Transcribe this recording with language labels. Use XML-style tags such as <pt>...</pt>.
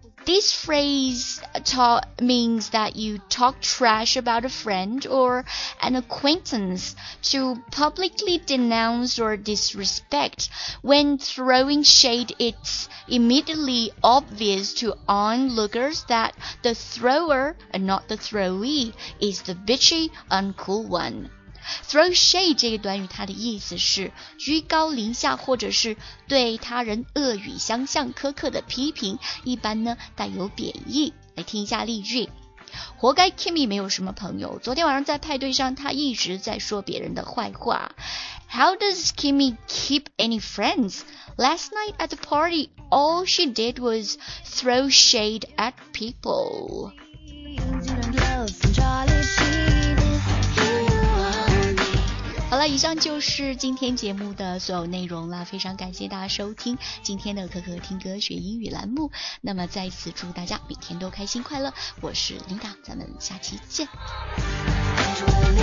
<en>This phrase means that you talk trash about a friend or an acquaintance to publicly denounce or disrespect. When throwing shade, it's immediately obvious to onlookers that the thrower, and not the throwee, is the bitchy, uncool one。</en> <zh>Throw shade 这个短语，它的意思是居高临下或者是对他人恶语相向、苛刻的批评，一般呢带有贬义。来听一下例句。活该 Kimmy 没有什么朋友，昨天晚上在派对上他一直在说别人的坏话。</zh> <en>How does Kimmy keep any friends? Last night at the party, all she did was throw shade at people.</en> <zh>好了，以上就是今天节目的所有内容了，非常感谢大家收听今天的可可听歌学英语栏目，那么再次祝大家每天都开心快乐，我是琳达，咱们下期见。</zh>